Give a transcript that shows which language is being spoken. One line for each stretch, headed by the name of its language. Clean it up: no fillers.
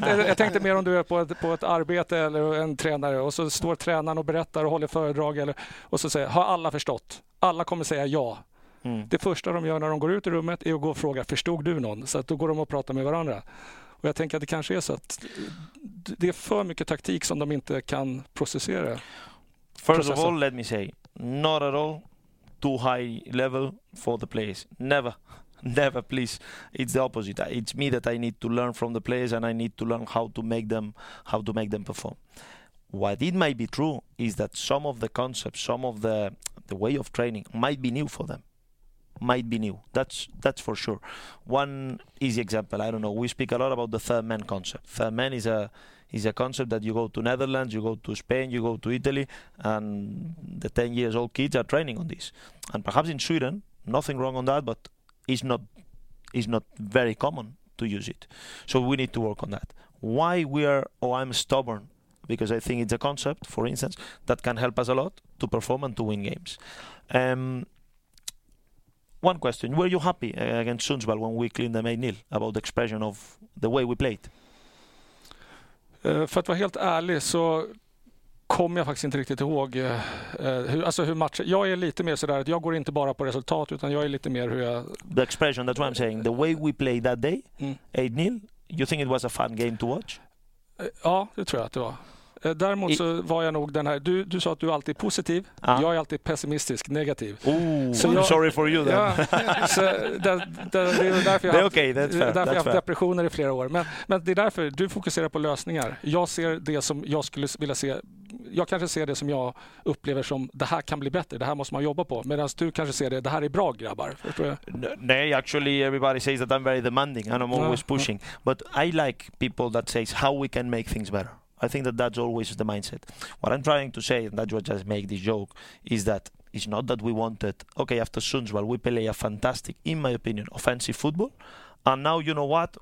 Swedish: Jag tänkte mer om du är på ett arbete eller en tränare och så står tränaren och berättar och håller föredrag eller, och så säger, har alla förstått? Alla kommer säga ja. Det första de gör när de går ut i rummet är att gå och fråga, förstod du någon? Så att då går de och pratar med varandra. Och jag tänker att det kanske är så att det är för mycket taktik som de inte kan processera.
English: First of all, let me say, not at all too high level for the players. Never, please. It's the opposite. It's me that I need to learn from the players and I need to learn how to make them perform. What it might be true is that some of the concepts, some of the way of training might be new for them. Might be new. That's for sure. One easy example. I don't know. We speak a lot about the third man concept. Third man is a concept that you go to Netherlands, you go to Spain, you go to Italy, and the 10 years old kids are training on this. And perhaps in Sweden, nothing wrong on that, but it's not very common to use it. So we need to work on that. I'm stubborn because I think it's a concept, for instance, that can help us a lot to perform and to win games. One question. Were you happy against Sundsvall when we cleaned them 8-0 about the expression of the way we played?
Swedish: För att vara helt ärlig så kommer jag faktiskt inte riktigt ihåg hur matchen... Jag är lite mer sådär att jag går inte bara på resultat utan jag är lite mer hur jag...
English: The expression, that's what I'm saying. The way we played that day, 8-0, you think it was a fun game to watch?
Swedish: Ja, det tror jag att det var. Däremot så var jag nog den här, du sa att du alltid är positiv, jag är alltid pessimistisk, negativ.
English: Sorry for you then.
Swedish: Det är därför jag har haft depressioner i flera år. Men det är därför du fokuserar på lösningar. Jag ser det som jag skulle vilja se. Jag kanske ser det som jag upplever som det här kan bli bättre, det här måste man jobba på. Medan du kanske ser det här är bra, grabbar.
English: Nej, actually everybody says that I'm very demanding and I'm always pushing. But I like people that says how we can make things better. I think that that's always the mindset. What I'm trying to say, and that's what just make this joke, is that it's not that we wanted, okay, after Sundsvall, we play a fantastic, in my opinion, offensive football. And now, you know what?